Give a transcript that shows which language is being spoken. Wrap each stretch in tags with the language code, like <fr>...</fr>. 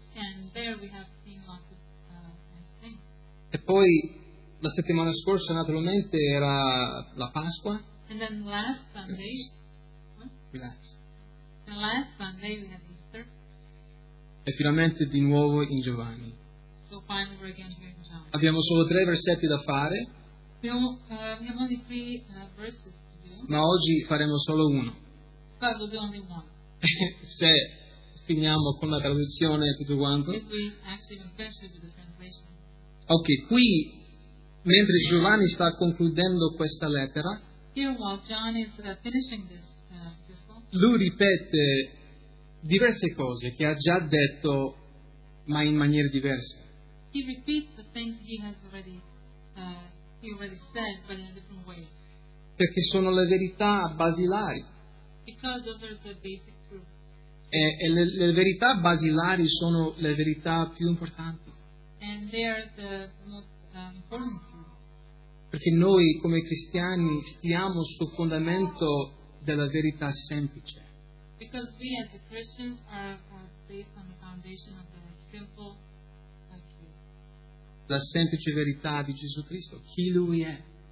<en>And there we have seen lots of nice things.</en> <it>E poi la settimana scorsa naturalmente era la Pasqua.</it> <en>And then last Sunday. Relax. The last Sunday we had Easter.</en> <it>E finalmente di nuovo in Giovanni.</it> <en>So finally we're again here in John.</en> <it>Abbiamo solo 3 versetti da fare.</it> <en>We have only 3 verses to do.</en> <it>Ma oggi faremo solo uno.</it> <en>But we'll do only one.</en> <it>Se finiamo con la traduzione e tutto quanto.</it> <en>If we actually finish with the translation.</en> <it>Ok, qui mentre Giovanni sta concludendo questa lettera.</it> <en>Here while John is finishing this.</en> <it>Lui ripete diverse cose che ha già detto, ma in maniera diversa.</it> <en>He repeats the things he already said, but in a different way.</en> <it>Perché sono le verità basilari.</it> <en>Because those are the basic truths.</en> <it>E le verità basilari sono le verità più importanti.</it> <en>And they are the most important truths.</en> <it>Perché noi come cristiani stiamo sul fondamento della verità semplice.</it> <en>Because we as the Christians are based on the foundation of the simple truth.</en> <it>La semplice verità di Gesù Cristo, chi lui è.</it>